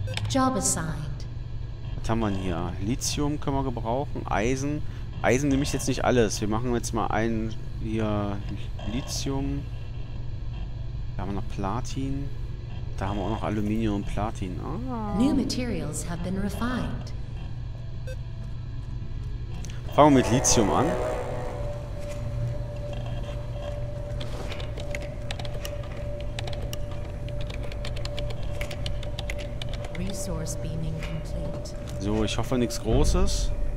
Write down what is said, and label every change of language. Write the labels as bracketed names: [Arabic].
[English] Job assigned. [German] Was haben wir denn hier? Lithium können wir gebrauchen, Eisen. Eisen nehme ich jetzt nicht alles. Wir machen jetzt mal einen hier Lithium. Da haben wir noch Platin. Da haben wir auch noch Aluminium und Platin. Ah. [English] New materials have been refined. [German] Fangen wir mit Lithium an. [English] Resource beaming complete. [German] So, ich hoffe nichts Großes.